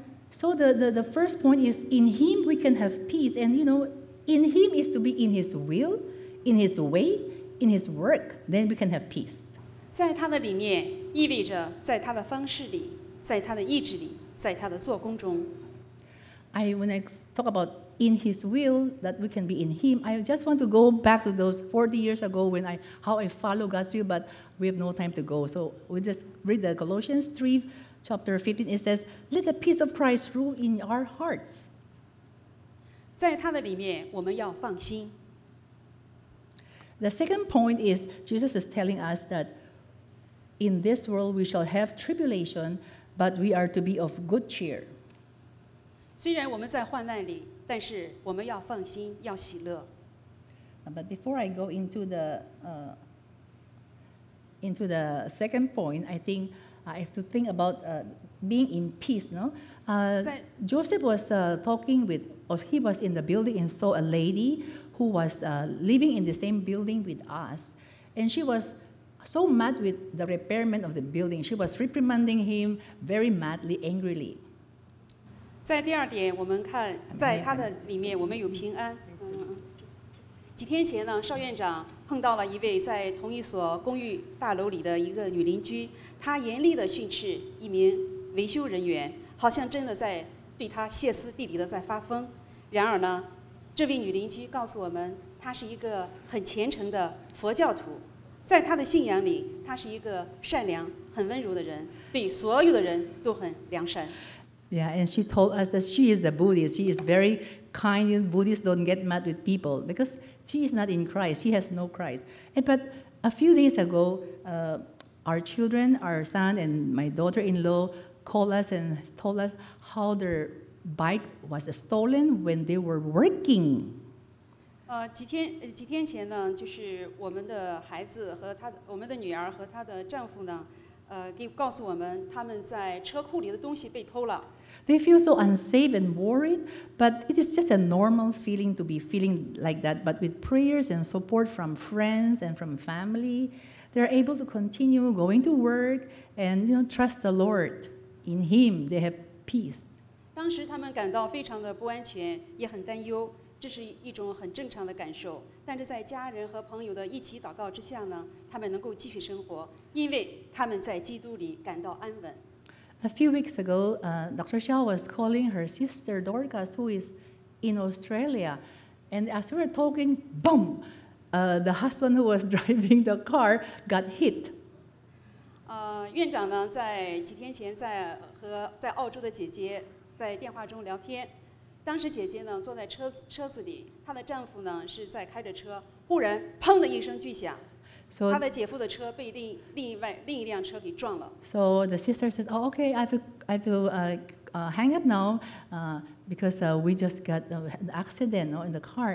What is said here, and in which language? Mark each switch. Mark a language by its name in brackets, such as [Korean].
[English] So the first point is in him we can have peace, and you know, in him is to be in his will, in his way, in his work, then we can have peace. [Chinese] 在他的里面意味着在他的方式里，在他的意志里，在他的做工中。 [English] When I talk about in his will that we can be in him, I just want to go back to those 40 years ago when how I follow God's will, but we have no time to go. So we just read the Colossians 3. Chapter 15, it says, "Let the peace of Christ rule in our hearts." [Chinese] 在他的里面，我们要放心。 [English] The second point is Jesus is telling us that in this world we shall have tribulation, but we are to be of good cheer. [Chinese] 虽然我们在患难里，但是我们要放心，要喜乐。 [English] But before I go into the second point, I think. I have to think about being in peace, no? Joseph was talking with, or he was in the building and saw a lady who was living in the same building with us. And she was so mad with the repairman of the building. She was reprimanding him very madly, angrily. [Chinese] 在第二点，我们看在他的里面我们有平安。几天前呢，邵院长碰到了一位在同一所公寓大楼里的一个女邻居，她严厉地训斥一名维修人员，好像真的在对她歇斯底里地在发疯。然而呢，这位女邻居告诉我们，她是一个很虔诚的佛教徒，在她的信仰里，她是一个善良、很温柔的人，对所有的人都很良善。 [English] Yeah, and she told us that she is a Buddhist. She is very kind. Buddhists don't get mad with people because she is not in Christ. She has no Christ. But a few days ago, our children, our son and my daughter-in-law called us and told us how their bike was stolen when they were working. [Chinese] 几天前呢，就是我们的孩子和他，我们的女儿和她的丈夫呢。告诉我们他们在车库里的东西被偷了。 [English] They feel so unsafe and worried, but it is just a normal feeling to be feeling like that. But with prayers and support from friends and from family, they are able to continue going to work and you know trust the Lord. In Him, they have peace. [Chinese] 当时他们感到非常的不安全，也很担忧，这是一种很正常的感受。但是在家人和朋友的一起祷告之下呢，他们能够继续生活，因为他们在基督里感到安稳。 [English] A few weeks ago, Dr. Xiao was calling her sister Dorcas, who is in Australia, and as we were talking, boom, the husband who was driving the car got hit. [Chinese] 院长呢，在几天前在澳洲的姐姐在电话中聊天。当时姐姐呢坐在车子里，她的丈夫呢是在开着车，忽然砰的一声巨响，她的姐夫的车被另一辆车给撞了。 [English] So the sister says, "Oh, okay, I have to hang up now, because we just got an accident, in the car."